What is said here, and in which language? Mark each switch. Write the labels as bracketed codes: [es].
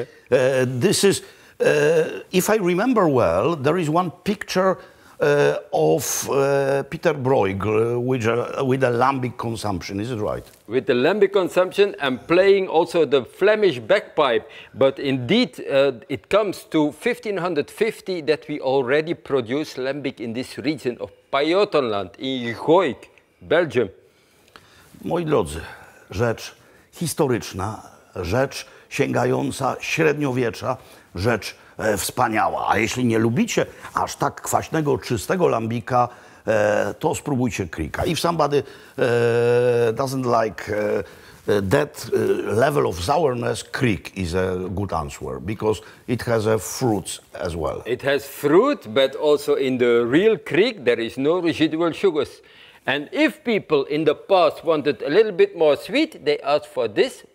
[en] If I remember well, there is one picture of Peter Bruegel with a lambic consumption, is it right? With the lambic consumption and playing also the Flemish bagpipe. But indeed, it comes to 1550 that we already produce lambic in this region of Pajottenland, in Goik, Belgium. [pl] Moi drodzy, rzecz historyczna, rzecz sięgająca średniowiecza, rzecz wspaniała. A jeśli nie lubicie aż tak kwaśnego, czystego lambika, to spróbujcie krika. [en] If somebody doesn't like that level of sourness, krik is a good answer, because it has a fruit as well. It has fruit, but also in the real krik there is no residual sugars. And if people in the past wanted a little bit more sweet, they asked for this.